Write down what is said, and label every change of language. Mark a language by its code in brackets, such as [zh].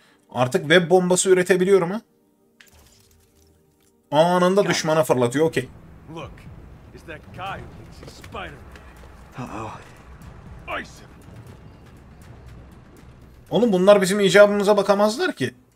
[tr] Artık web bombası üretebiliyorum ha? Anında düşmana fırlatıyor. [en] Okay. Look, is that guy who thinks he's Spider-Man? Uh-oh. Ice him. [tr] Oğlum bunlar bizim icabımıza bakamazlar ki.